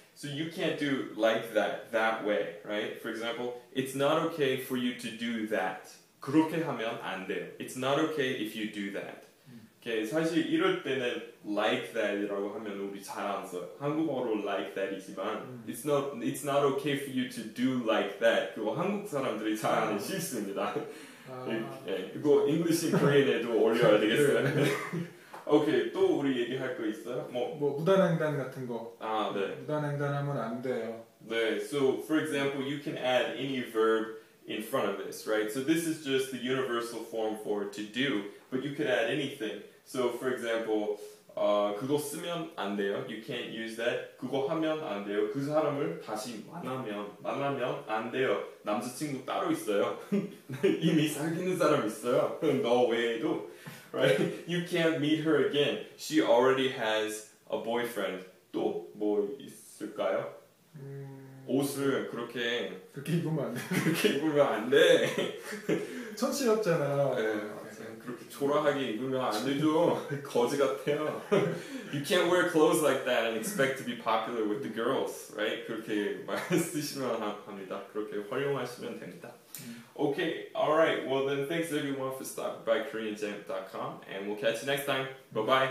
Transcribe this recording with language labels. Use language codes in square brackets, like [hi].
[en] So you can't do like that way, right? For example, it's not okay for you to do that. [ko] 그렇게 하면 안 돼요. [en] It's not okay if you do that. [ko] Okay, 사실 이럴 때는 like that이라고 하면 우리 잘 안 써요. 한국어로 [en] like that이지만 it's not okay for you to do like that. [ko] 그거 한국 사람들이 잘 하는 실수입니다. 이거 English and Korean에도 올려야 되겠어요. 오케이, 또 우리 얘기할 거 있어요? 뭐 무단횡단 같은 거. 아, 네. 무단횡단 하면 안 돼요. [en] 네, so for example, you can add any verb in front of this, right? So this is just the universal form for to do, but you could add anything. So for example, [ko] 그거 쓰면 안 돼요. [en] You can't use that. [ko] 그거 하면 안 돼요. 그 사람을 다시 만나면 안 돼요. 남자친구 따로 있어요. 이미 사귀는 사람 있어요. 너 외에도, [en] right? You can't meet her again. She already has a boyfriend. [ko] 또 뭐 있을까요? 옷을 그렇게 입으면 안 돼. 그렇게 입으면 안 돼. 천치럽잖아. 네, 그렇게 초라하게 입으면 안 되죠. 거지 같아요. [en] You can't wear clothes like that and expect to be popular with the girls, right? [ko] 그렇게 말씀하시면 합니다. 그렇게 활용하시면 됩니다. [en] Okay, alright. Well then, thanks everyone for stopping by KoreanJam.com and we'll catch you next time. Bye-bye.